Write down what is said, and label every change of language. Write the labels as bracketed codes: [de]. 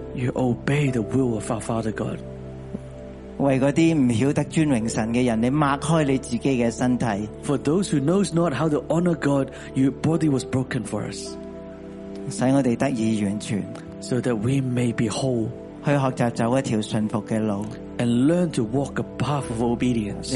[en] You obey the will of our Father God. [zh] 为那些不晓得尊荣神的人，你擘开你自己的身体。 [en] For those who knows not how to honor God, your body was broken for us. [zh] 使我们得以完全。 [en] So that we may be whole. [zh] 去学习走一条顺服的路。 [en] And learn to walk a path of obedience.